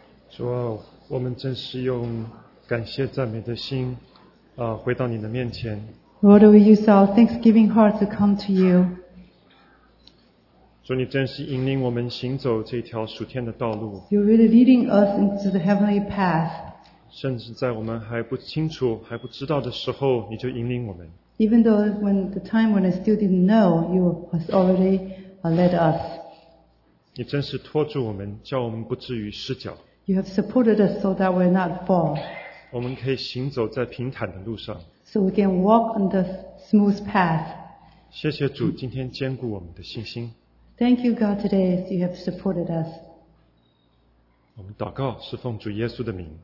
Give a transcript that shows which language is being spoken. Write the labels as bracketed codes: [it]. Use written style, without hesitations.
[zh] 主啊，我们真是用感谢赞美的心，回到你的面前。 [en] Lord, we use our thanksgiving heart to come to you. [zh] 主，你真是引领我们行走这条属天的道路。 [en] You're really leading us into the heavenly path. [zh] 甚至在我们还不清楚、还不知道的时候，你就引领我们。 [en] Even though when the time when I still didn't know, you has already led us. [zh] 你真是托住我们，叫我们不至于失脚。 [en] You have supported us so that we're not fall. [zh] 我们可以行走在平坦的路上。 [en] So we can walk on the smooth path. [zh] 谢谢主今天坚固我们的信心。 [en] Thank you, God, today as you have supported us. [zh] 我们祷告是奉主耶稣的名。